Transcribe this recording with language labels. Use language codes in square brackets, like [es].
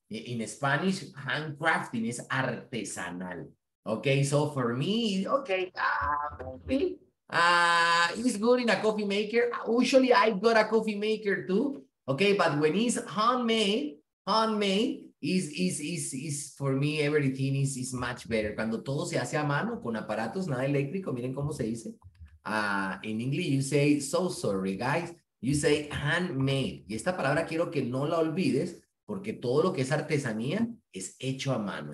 [en] In Spanish, handcrafting is artesanal. Okay, so for me, okay, it's good in a coffee maker. Usually, I've got a coffee maker too, okay, but when it's handmade, Is for me everything is much better. [es] Cuando todo se hace a mano con aparatos, nada eléctrico, miren cómo se dice. [en] In English you say so sorry guys, you say handmade. [es] Y esta palabra quiero que no la olvides porque todo lo que es artesanía es hecho a mano.